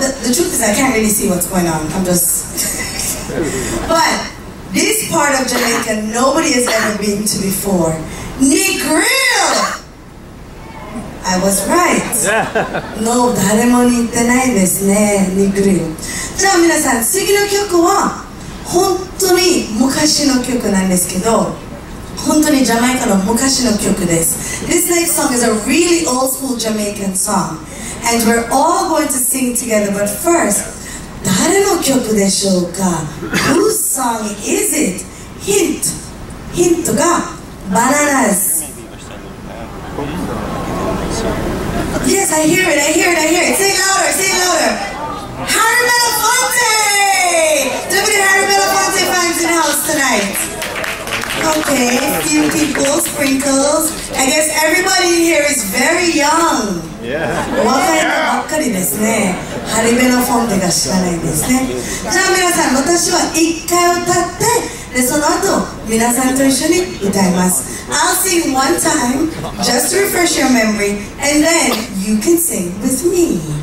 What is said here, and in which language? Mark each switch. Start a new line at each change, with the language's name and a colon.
English: The truth is I can't really see what's going on. I'm just... But this part of Jamaica nobody has ever been to before. Negril! I was right.
Japanese: No, 誰も似てないですね、ニグリル。じゃあ皆さん、次の曲は本当に昔の曲なんですけど、本当にジャマイカの昔の曲です。
English: This next song is a really old school Jamaican song. And we're all going to sing together. But first,
Japanese: 誰の曲でしょうか？
English: Whose song is it? Hint. Hint
Japanese: がバナナです。
English: Yes, I hear it, I hear it, I hear it. Sing louder, sing louder. Harry Belafonte! Deputy Harry Belafonte fans in house tonight. Okay, few people, sprinkles. I guess everybody in here is very young. Yeah.
Japanese: 若いのばっかりですね。ハリベロフォンテが知らないですね。じゃあ皆さん、私は一回歌って、で、その後、皆さんと一緒に歌います。
English: I'll sing one time, just to refresh your memory, and then you can sing with me.